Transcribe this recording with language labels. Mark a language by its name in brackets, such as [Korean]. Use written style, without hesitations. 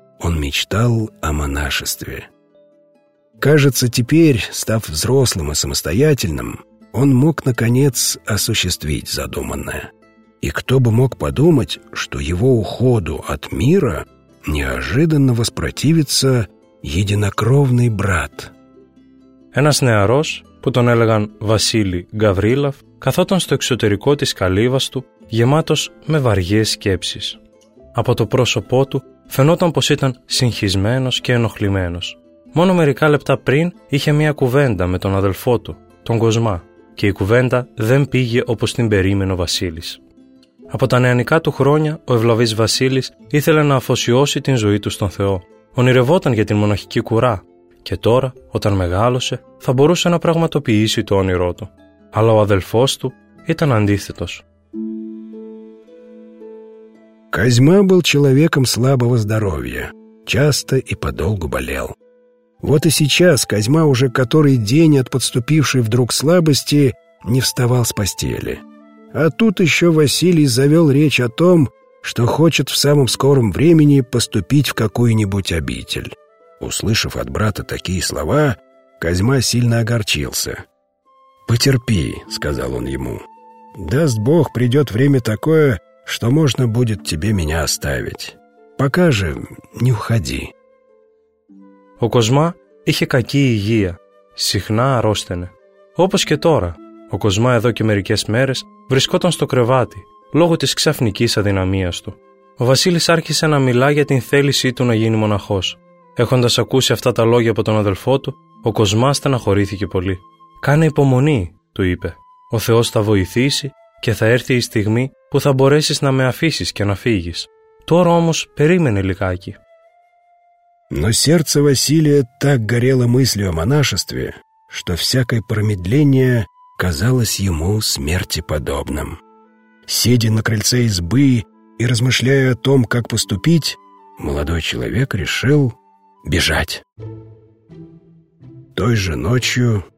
[Russian] Он мечтал о монашестве. Кажется, теперь, став взрослым и самостоятельным, он мог, наконец, осуществить задуманное. И кто бы мог подумать, что его уходу от мира неожиданно воспротивится единокровный брат. [Greek] Ένας νεαρός, που τον έλεγαν Βασίλη Γκαβρίλαφ, καθόταν στο εξωτερικό της καλύβας του, γεμάτος με βαριές σκέψεις. Από το πρόσωπό του φαινόταν πως ήταν συγχυσμένος και ενοχλημένος. Μόνο μερικά λεπτά πριν είχε μία κουβέντα με τον αδελφό του, τον Κοσμά, και η κουβέντα δεν πήγε όπως την περίμενε ο Βασίλης. Από τα νεανικά του χρόνια, ο ευλαβής Βασίλης ήθελε να αφοσιώσει την ζωή του στον Θεό. Ονειρευόταν για την μοναχική κουρά, και τώρα, όταν μεγάλωσε, θα μπορούσε να πραγματοποιήσει το όνειρό του. Αλλά ο αδελφός του ήταν αντίθετος. [Russian] Козьма был человеком слабого здоровья, часто и подолгу болел. Вот и сейчас Козьма уже который день от подступившей вдруг слабости не вставал с постели. А тут еще Василий завел речь о том, что хочет в самом скором времени поступить в какую-нибудь обитель. Услышав от брата такие слова, Козьма сильно огорчился. «Потерпи», — сказал он ему. «Даст Бог, придет время такое, что можно будет тебе меня оставить. Пока же не уходи». [Greek] Ο Κοσμά είχε κακή υγεία, συχνά αρρώστενε. Όπως και τώρα, ο Κοσμά εδώ και μερικές μέρες βρισκόταν στο κρεβάτι, λόγω της ξαφνικής αδυναμίας του. Ο Βασίλης άρχισε να μιλά για την θέλησή του να γίνει μοναχός. Έχοντας ακούσει αυτά τα λόγια από τον αδελφό του, ο Κοσμά στεναχωρήθηκε πολύ. «Κάνε υπομονή», του είπε. «Ο Θεός θα βοηθήσει και θα έρθει η στιγμή που θα μπορέσεις να με αφήσεις και να φύγεις. Τώρα όμως περίμενε λιγάκι». [Russian] Но сердце Василия так горело мыслью о монашестве, что всякое промедление казалось ему смерти подобным. Сидя на крыльце избы и размышляя о том, как поступить, молодой человек решил бежать. Той же ночью,